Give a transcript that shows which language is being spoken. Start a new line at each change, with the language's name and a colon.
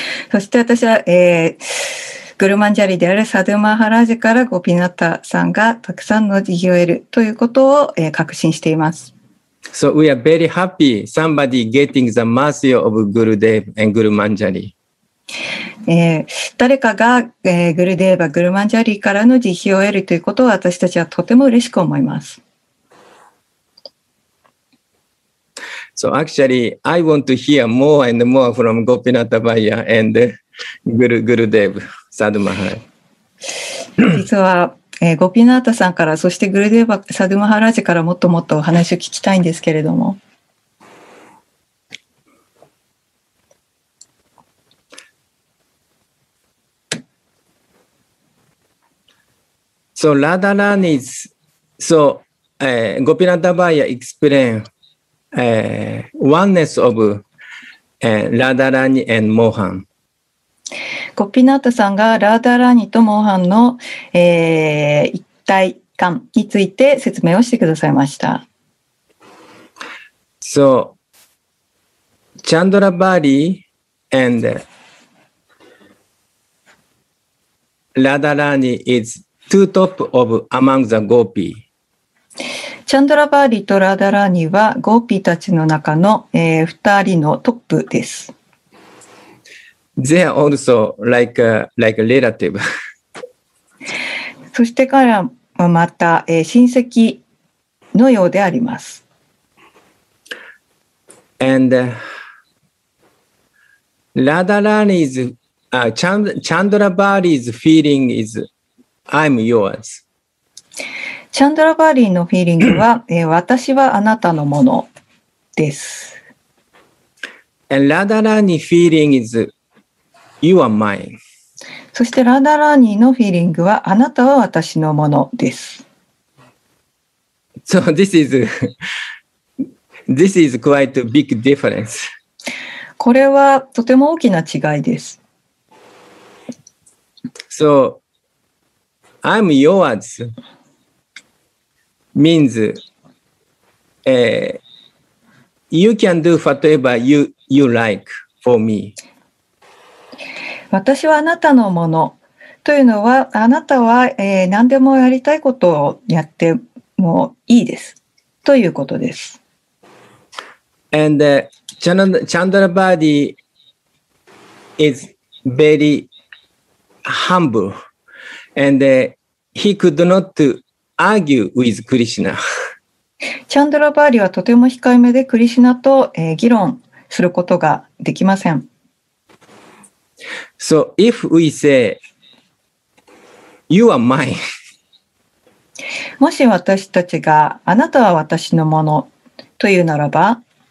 Japanese: そして私は、グルマンジャリであるサドマハラジからゴピナタさんがたくさんの慈悲を得るということを、確信しています。
English: So we are very happy somebody getting the mercy of Gurudev and グルマンジャリ。
Japanese: 誰かが、グルデーバ、グルマンジャリからの慈悲を得るということを私たちはとても嬉しく思います。
English: So actually, I want to hear more and more from Gopinatha Buyer and Gurudev Sadhu Maharaj.
Japanese: 実は、Gopinatha さんから、そして Gurudev Sadhu Maharaj からもっともっとお話を聞きたいんですけれども。
English: So Radharani is, so Gopinatha Buyer explain,oneness of Radharani and Mohan.
Japanese: ゴピナタさんがラダラニとモーハンの、一体感について説明をしてくださいました。
English: So, Chandrabari and Radharani is two top of among the Gopi.
Japanese: チャンドラバーリとラダラニはゴーピーたちの中の、2人のトップです。
English: They are also like a, like a relative.
Japanese: そして彼らはまた、親戚のようであります。
English: And ラダラニ is, チャンドラバーリ is feeling is I'm yours.
Japanese: チャンドラバーリーのフィーリングは、私はあなたのものです。
English: And Radharani feeling is you are mine.
Japanese: そしてラダラーニのフィーリングはあなたは私のものです。
English: So this is quite a big difference.
Japanese: これはとても大きな違いです。
English: So I'm yours. means, you can do whatever you like for me.
Japanese: 私はあなたのものというのは、あなたは、何でもやりたいことをやってもいいですということです。
English: And Chandrabari is very humble and he could notargue with Krishna.
Japanese: チャンドラバーリはとても控えめでクリシナと、議論することができません。
English: So if we say you are mine,
Japanese: もし私たちがあなたは私のものというならば、